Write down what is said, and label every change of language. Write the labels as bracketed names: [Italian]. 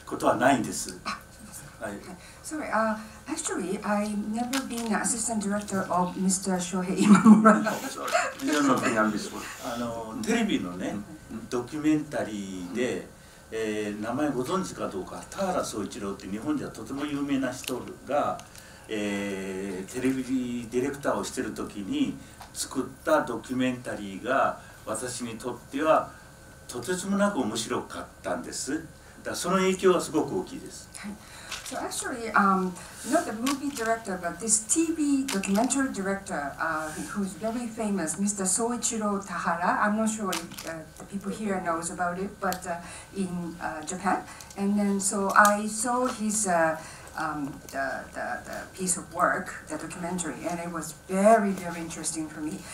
[Japanese] どうやってドキュメンタリーの方に入ってこられたのかということをまず一つお伺いしたいと思います。私はあの今村翔平のアシスタントディレクターをしたことはないんです。はい。 [English] Sorry, actually I never been assistant director of Mr. Shohei Imamura. [Japanese] テレビのね、ドキュメンタリーで名前ご存知かどうか、田原総一郎って日本では、とても有名な人が、テレビディレクターをしてる時に作ったドキュメンタリーが私にとってはとてつもなく面白かったんです。だからその影響はすごく大きいです。So [English] actually, not the movie director, but this TV documentary director, who's very famous, Mr. Soichiro Tahara. I'm not sure if the people here knows about it, but in Japan. And then, so I saw his the piece of work, the documentary, and it was very, very interesting for me.